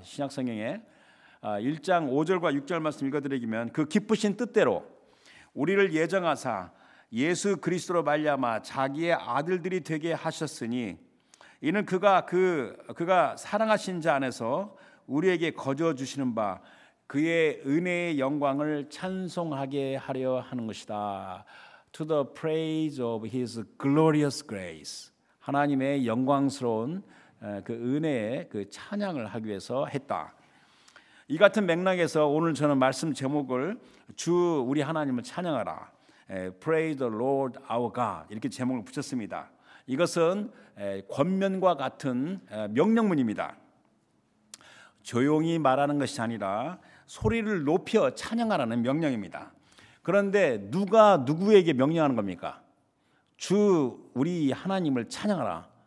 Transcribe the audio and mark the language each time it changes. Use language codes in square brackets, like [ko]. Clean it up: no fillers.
[ko] 신약성경에 1장 5절과 6절 말씀 읽어드리면 그 기쁘신 뜻대로 우리를 예정하사 예수 그리스도로 말미암아 자기의 아들들이 되게 하셨으니 이는 그가 사랑하신 자 안에서 우리에게 거저 주시는 바 그의 은혜의 영광을 찬송하게 하려 하는 것이다. [en] To the praise of his glorious grace. [ko] 하나님의 영광스러운 그 은혜의 그 찬양을 하기 위해서 했다. 이 같은 맥락에서 오늘 저는 말씀 제목을 주 우리 하나님을 찬양하라. [en] Praise the Lord our God [ko] 이렇게 제목을 붙였습니다. 이것은 권면과 같은 명령문입니다. 조용히 말하는 것이 아니라 소리를 높여 찬양하라는 명령입니다. 그런데 누가 누구에게 명령하는 겁니까? 주 우리 하나님을 찬양하라.